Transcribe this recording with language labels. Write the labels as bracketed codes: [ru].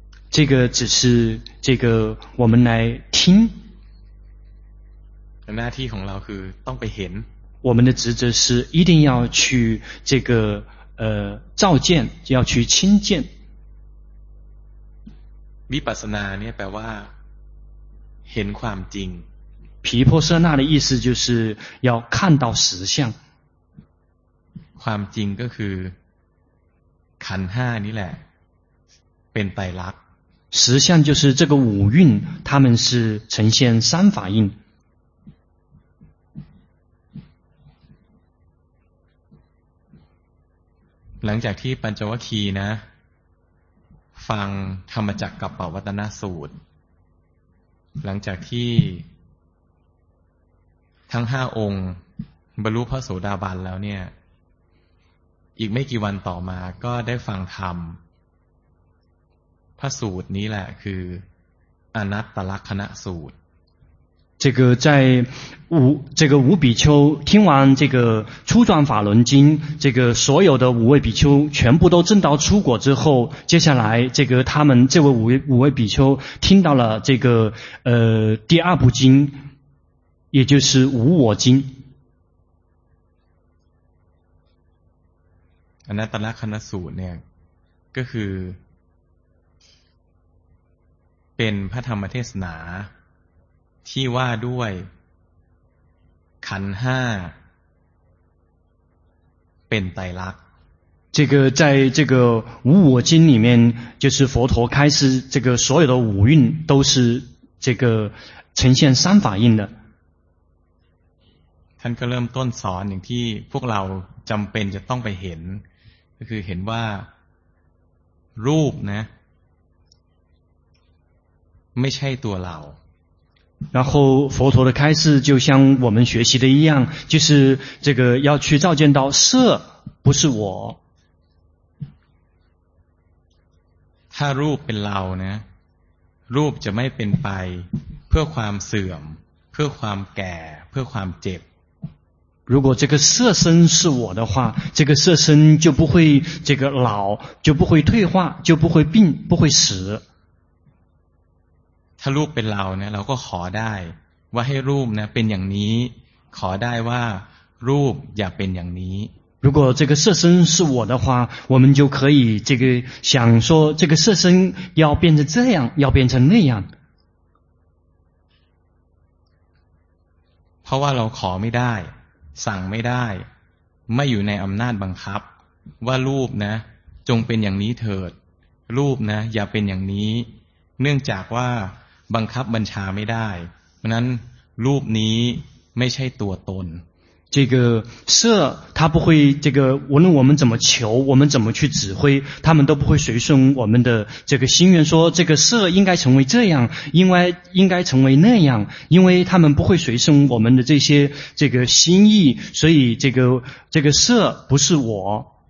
[zh] 这个只是这个我们来听 [th] หน้าที่ของเราคือต้องไปเห็น [zh] 我们的职责是一定要去这个照见要去亲见 [th] วิปัสสนาเนี่ยแปลว่าเห็นความจริง [zh] 毗婆舍那的意思就是要看到实相 [th] ความจริงก็คือขันธ์5นี่แหละเป็นไตรลักษณ์ [zh] 实相就是这个五蕴他们是呈现三法印 [th] หลังจากที่ปัญจวัคคีย์นะฟังธรรมจักกัปปวัตตนสูตรหลังจากที่ทั้งห้าองค์บรรลุพระโสดาบันแล้วเนี่ยอีกไม่กี่วันต่อมาก็ได้ฟังธรรมพระสูตรนี้แหละคืออนัตตลักขณสูตร [zh] 这个在五这个五比丘听完这个初转法轮经这个所有的五位比丘全部都证到初果之后接下来这个他们这位五位比丘听到了这个第二部经也就是无我经 [th] อนัตตลักขณสูตรเนี่ยก็คือเป็นพระธรรมเทศนาที่ว่าด้วยขันห้าเป็นไตรลักษณ์ [zh] 这个在这个无我经里面就是佛陀开示这个所有的五蕴都是这个呈现三法印的 [th] ท่านก็เริ่มต้นสอนอย่างที่พวกเราจำเป็นจะต้องไปเห็นก็คือเห็นว่ารูปนะไม่ใช่ตัวเรา [zh] 然后佛陀的开示就像我们学习的一样就是这个要去照见到色不是我 [th] ถ้ารูปเป็นเรานะรูปจะไม่เป็นไปเพื่อความเสื่อมเพื่อความแก่เพื่อความเจ็บ [zh] 如果这个色身是我的话这个色身就不会这个老就不会退化就不会病不会死 [th] ถ้ารูปเป็นเราเนี่ยเราก็ขอได้ว่าให้รูปนะเป็นอย่างนี้ขอได้ว่ารูปอย่าเป็นอย่างนี้ [zh] 如果这个色身是我的话我们就可以这个想说这个色身要变成这样要变成那样 [th] พราะว่าเราขอไม่ได้สั่งไม่ได้ไม่อยู่ในอำนาจบังคับว่ารูปนะจงเป็นอย่างนี้เถิดรูปนะอย่าเป็นอย่างนี้เนื่องจากว่าบังคับบัญชาไม่ได้เพราะนั้นรูปนี้ไม่ใช่ตัวตน [zh] 这个色它不会这个无论我们怎么求我们怎么去指挥他们都不会随顺我们的这个心愿说这个色应该成为这样应该成为那样因为他们不会随顺我们的这些这个心意所以这个色不是我